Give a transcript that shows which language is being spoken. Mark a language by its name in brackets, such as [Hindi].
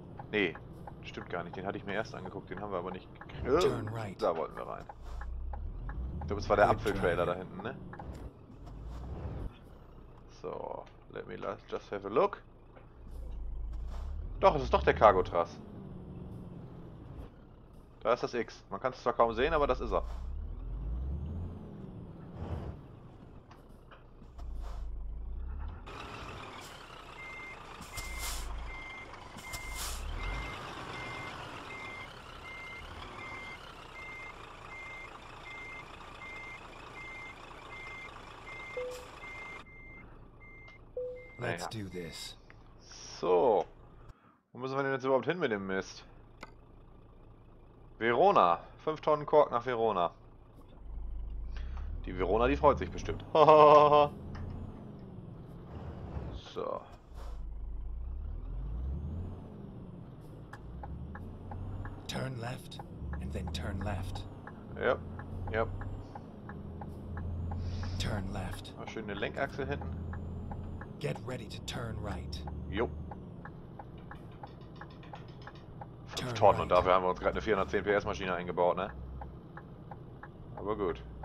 [German] Nee, stimmt gar nicht. Den hatte ich mir erst angeguckt, den haben wir aber nicht gekriegt. Da wollten wir rein. Ich glaube, es war der Apfeltrailer da hinten, ne? [English] So, let me just have a look. [German] Doch, es ist doch der Cargo Trust. Da ist das X. Man kann es zwar kaum sehen, aber das ist er. [English] Let's do this. [German] So. Wo müssen wir denn jetzt überhaupt hin mit dem Mist? Verona. 5 Tonnen Kork nach Verona. Die Verona, die freut sich bestimmt. So. [English] Turn left and then turn left. Yep. Yep. Turn left. [German] Mal schön eine Lenkachse hinten. [English] Get ready to turn right. [German] Jo. 5 Tonnen und dafür haben wir uns gerade eine 410 PS Maschine eingebaut, ne? Aber gut.